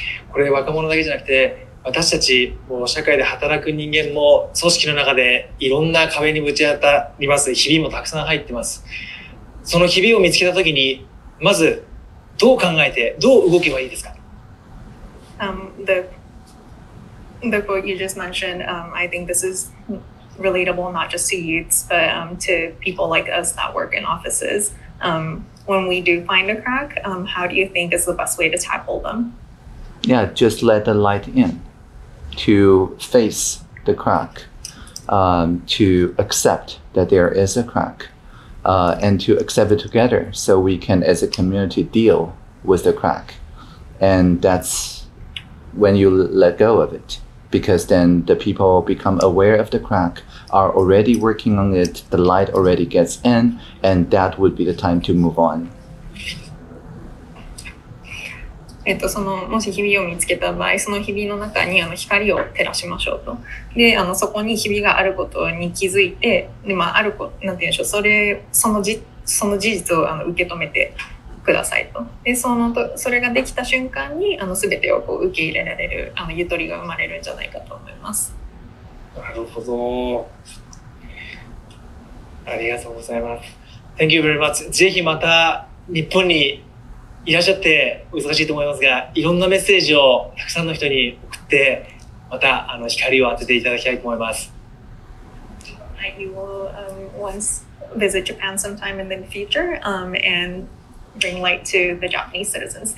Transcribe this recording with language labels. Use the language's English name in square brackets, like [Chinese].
[Japanese] これ若者だけじゃなくて、私たちもう社会で働く人間も組織の中でいろんな壁にぶち当たります。日々もたくさん入ってます。その日々を見つけた時にまずどう考えてどう動けばいいですか？ [English] The quote you just mentioned, I think this is relatable not just to youths, but to people like us that work in offices. When we do find a crack, how do you think is the best way to tackle them? Yeah, just let the light in, to face the crack, to accept that there is a crack, and to accept it together so we can, as a community, deal with the crack. And that'sWhen you let go of it, because then the people become aware of the crack, are already working on it, the light already gets in, and that would be the time to move on. [Japanese] もし日々を見つけた場合、その日々の中に光を照らしましょうと。で、そこに日々があることに気づいて、で、まあ、ある、なんて言うんでしょう、その事実を受け止めて、くださいと。で、それができた瞬間に全てをこう受け入れられるゆとりが生まれるんじゃないかと思います。なるほど、ありがとうございます。 [English] Thank you very much。 [Japanese] ぜひまた日本にいらっしゃって、難しいと思いますが、いろんなメッセージをたくさんの人に送って、また光を当てていただきたいと思います。 [English] I will once visit Japan sometime in the future, andbring light to the Japanese citizens.